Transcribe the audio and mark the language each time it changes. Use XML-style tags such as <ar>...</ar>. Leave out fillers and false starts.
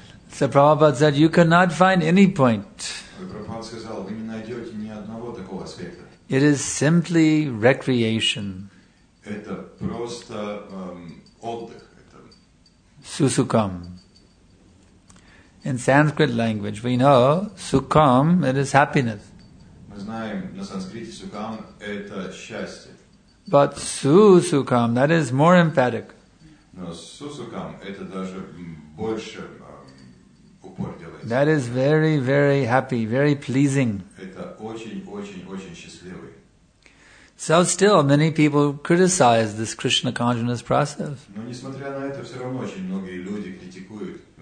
<en>So Prabhupada said, you cannot find any point.</en> <ru>Прабхупада сказал, вы не найдете ни одного такого аспекта.</ru> <en>It is simply recreation.</en> <ru>Это просто отдых.</ru> <sa>Сусукам.</sa> <en>In Sanskrit language, we know sukham, it is happiness.</en> <ru>Мы знаем, на санскрите сукам это счастье.</ru> <en>But su sukham, that is more emphatic.</en> <ru>Но su sukham это даже больше упор делается.</ru> <en>That is very, very happy, very pleasing.</en> <ru>Это очень, очень, очень счастливый.</ru> <en>So still, many people criticize this Krishna consciousness process.</en> <ru>Но несмотря на это, все равно очень многие люди критикуют.</ru>